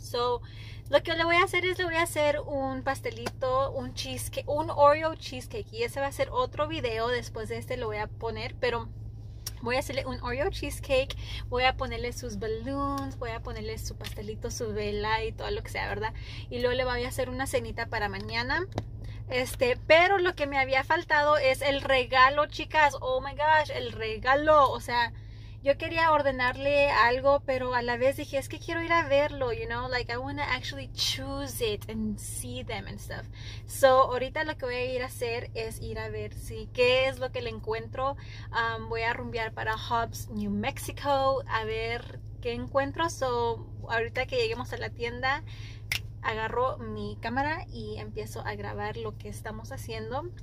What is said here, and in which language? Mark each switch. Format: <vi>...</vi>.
<es>So, lo que le voy a hacer es le voy a hacer un pastelito, un cheesecake, un Oreo cheesecake. Y ese va a ser otro video después de este, lo voy a poner, pero voy a hacerle un Oreo cheesecake, voy a ponerle sus balloons, voy a ponerle su pastelito, su vela y todo lo que sea, ¿verdad? Y luego le voy a hacer una cenita para mañana. Pero lo que me había faltado es el regalo, chicas.</es> <en>Oh my gosh,</en> <es>el regalo. O sea, yo quería ordenarle algo, pero a la vez dije, es que quiero ir a verlo,</es> <en>you know? Like, I want to actually choose it and see them and stuff.</en> <es>So, ahorita lo que voy a ir a hacer es ir a ver si, qué es lo que le encuentro. Voy a rumbear para Hobbs, New Mexico, a ver qué encuentro. So, ahorita que lleguemos a la tienda, agarro mi cámara y empiezo a grabar lo que estamos haciendo.</es>